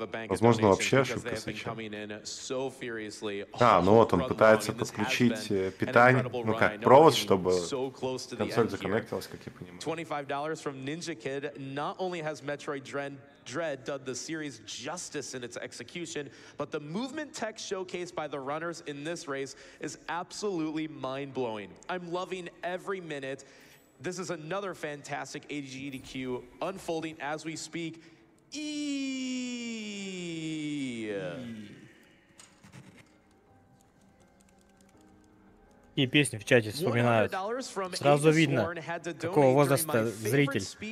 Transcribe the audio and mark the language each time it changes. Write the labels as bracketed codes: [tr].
[ru] Возможно, вообще ошибка свеча. Ну вот, он пытается подключить питание, ну как, провод, чтобы консоль законнектилась, как я понимаю. [en] $25 from Ninja Kid. Not only has Metroid Dread done the series justice in its execution, but the movement tech showcased by the runners in this race is absolutely mind-blowing. I'm loving every minute. This is another fantastic AGDQ unfolding as we speak. [ru] И песни в чате вспоминают. Сразу видно, какого возраста зритель.